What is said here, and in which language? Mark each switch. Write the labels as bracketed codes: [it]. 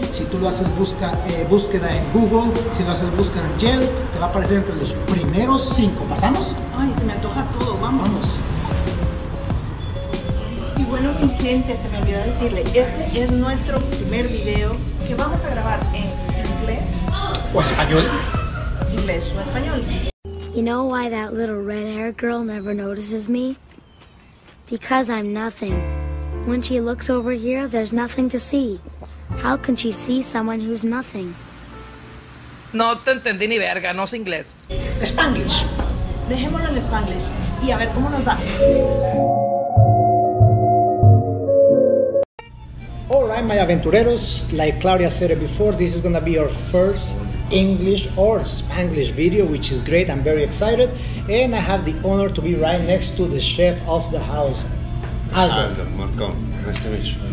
[es] Si tú lo haces, busca búsqueda en Google, si lo haces, busca en Yelp, te va a aparecer entre los primeros 5. ¿Pasamos? Ay, se me antoja todo, vamos. Vamos. Bueno, mi gente, se me olvidó decirle, este es nuestro primer video que vamos a grabar en inglés. ¿O español? Inglés o español. [en] You know why that little red-haired girl never notices me? Because I'm nothing. When she looks over here, there's nothing to see. How can she see someone who's nothing? [es] No te entendí ni verga, no es inglés. [en] Spanglish. [es] Dejémoslo en Spanglish y a ver cómo nos va. [en] Alright, my aventureros, like Claudia said it before, this is gonna be our first English or Spanglish video, which is great. I'm very excited, and I have the honor to be right next to the chef of the house, Aldo. Aldo, Marcon, nice to meet you.